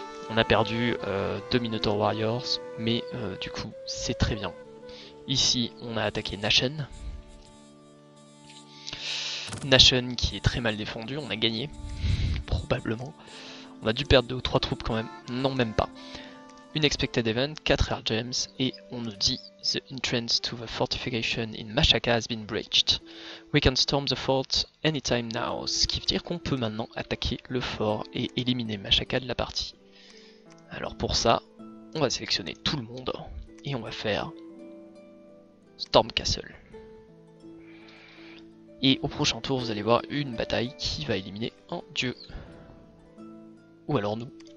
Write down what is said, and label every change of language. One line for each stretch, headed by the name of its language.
French: On a perdu 2 Minotaur Warriors, mais du coup, c'est très bien. Ici, on a attaqué Nashen. Nashen qui est très mal défendu, on a gagné. Probablement. On a dû perdre 2 ou 3 troupes quand même. Non, même pas.
English: Une expected event, 4 air gems,
French: et on nous dit
English: The entrance to the fortification in Mashaka has been breached. We can storm the fort anytime now.
French: Ce qui veut dire qu'on peut maintenant attaquer le fort et éliminer Mashaka de la partie. Alors pour ça, on va sélectionner tout le monde et on va faire Stormcastle. Et au prochain tour, vous allez voir une bataille qui va éliminer un dieu. Ou alors nous.